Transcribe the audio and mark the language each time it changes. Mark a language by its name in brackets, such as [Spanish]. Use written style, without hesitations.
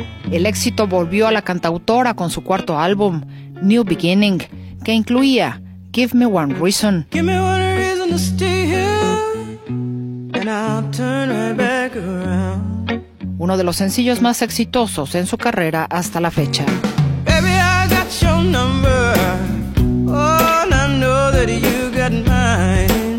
[Spanish] El éxito volvió a la cantautora con su cuarto álbum, New Beginning, que incluía Give Me One Reason. [English] Give me one reason to stay here, and I'll turn right back around. [Spanish] Uno de los sencillos más exitosos en su carrera hasta la fecha. [English] Baby, I got your number. Oh, and I know that you got mine.